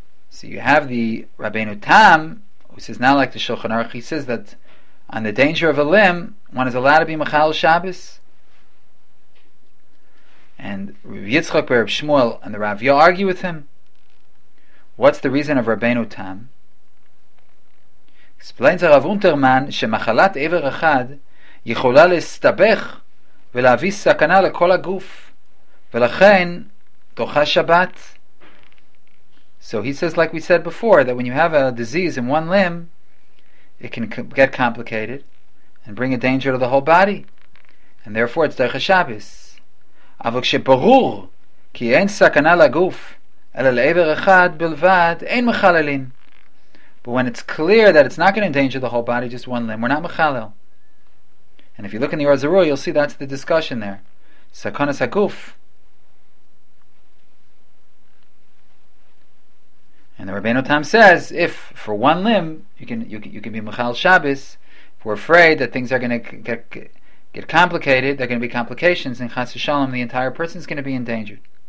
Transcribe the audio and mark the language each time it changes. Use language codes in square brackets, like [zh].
[en] So you have the Rabbeinu Tam, who says now like the Shulchan Aruch, he says that on the danger of a limb, one is allowed to be mechal Shabbos. And Rav Yitzchak Rav Shmuel and the Rav Yo argue with him. What's the reason of Rabbeinu Tam? Explains [he] Rav Unterman shemachalat ever echad יכולה להסתבך ולהביא סכנה לכל הגוף ולכן תוכה שבת. [en] So he says, like we said before, that when you have a disease in one limb, it can get complicated and bring a danger to the whole body, and therefore it's דרך השבת. [he] אבל כשברור כי אין סכנה לגוף אלא לעבר אחד בלבד אין מחללים. [en] But when it's clear that it's not going to endanger the whole body, just one limb, we're not מחלל. And if you look in the Orzarua, you'll see that's the discussion there. Sakonas haguf. And the Rabbeinu Tam says, if for one limb you can be Mechal Shabbos, if we're afraid that things are going to get complicated, there are going to be complications, and Chas V'Shalom, the entire person is going to be endangered.